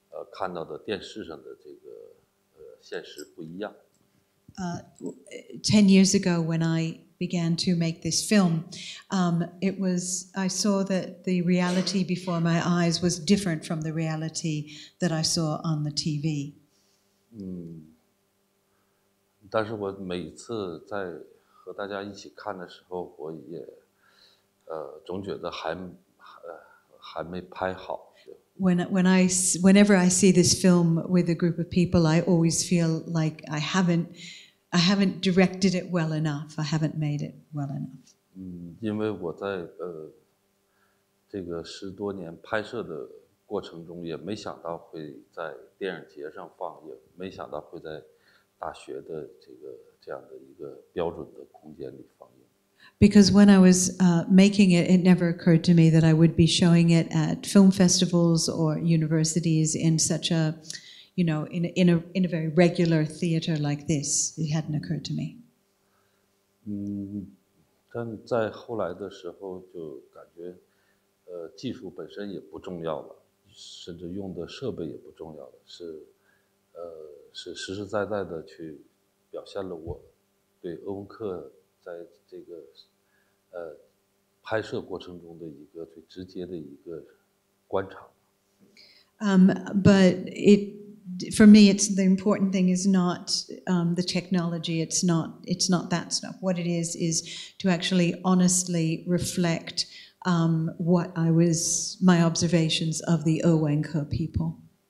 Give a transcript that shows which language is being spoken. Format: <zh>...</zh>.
<zh>看到的电视上的这个现实不一样。</zh> <en>10 years ago when I began to make this film, I saw that the reality before my eyes was different from the reality that I saw on the TV.</en> <zh>但是我每次在和大家一起看的时候，我也总觉得还没拍好。</zh> <en>Whenever I see this film with a group of people, I always feel like I haven't directed it well enough. I haven't made it well enough.</en> <zh>因为我在这个十多年拍摄的过程中，也没想到会在电影节上放，也没想到会在大学的这样的一个标准的空间里放映。</zh> <en>Because when I was making it, it never occurred to me that I would be showing it at film festivals or universities in such a, you know, in a very regular theater like this. It hadn't occurred to me.</en> <zh>但在后来的时候就感觉，技术本身也不重要了，甚至用的设备也不重要了，是实实在在的去表现了我对欧文克。在这个拍摄过程中的一个最直接的一个观察。</zh> <en>But it for me, it's the important thing is not the technology. It's not that stuff. What it is to actually honestly reflect what I was my observations of the Ewenki people.</en>